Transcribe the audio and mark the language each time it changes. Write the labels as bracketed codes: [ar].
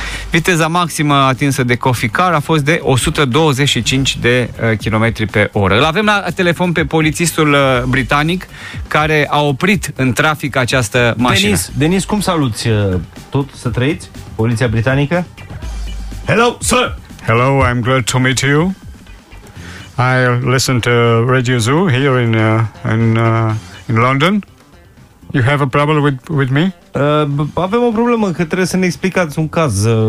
[ro] Viteza maximă atinsă de Coffee Car a fost de 125 de km pe oră. Îl avem la telefon pe polițistul britanic care a oprit în trafic această mașină. Denis, cum saluți tot, să trăiți? Poliția britanică? [en] Hello, sir! Hello, I'm glad to meet you. I listen to Radio Zoo here in London. You have a problem with me? [ro] Avem o problemă că trebuie să ne explicați un caz.